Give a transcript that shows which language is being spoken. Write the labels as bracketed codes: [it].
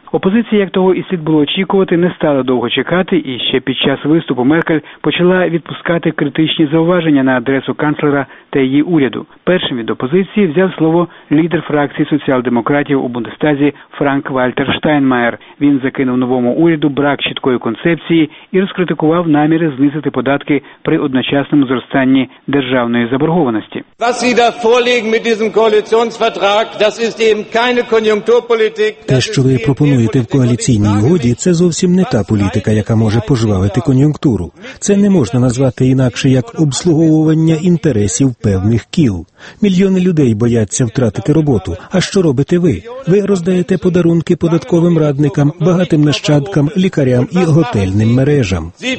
[uk] Опозиція, як того і слід було очікувати, не стала довго чекати, і ще під час виступу Меркель почала відпускати критичні зауваження на адресу канцлера та її уряду. Першим від опозиції взяв слово лідер фракції соціал-демократів у Бундестазі Франк-Вальтер Штайнмайер. Він закинув новому уряду брак чіткої концепції і розкритикував наміри знизити податки при одночасному зростанні державної заборгованості. [de] Was Sie da vorlegen mit diesem Koalitionsvertrag, das ist eben keine Konjunkturpolitik. [uk] Те, що ви пропонуєте в коаліційній угоді, це зовсім не та політика, яка може пожвавити кон'юнктуру. Це не можна назвати інакше, як обслуговування інтересів певних кіл. Мільйони людей бояться втратити роботу. А що робите ви? Ви роздаєте подарунки податковим радникам, багатим нащадкам, лікарям і готельним мережам.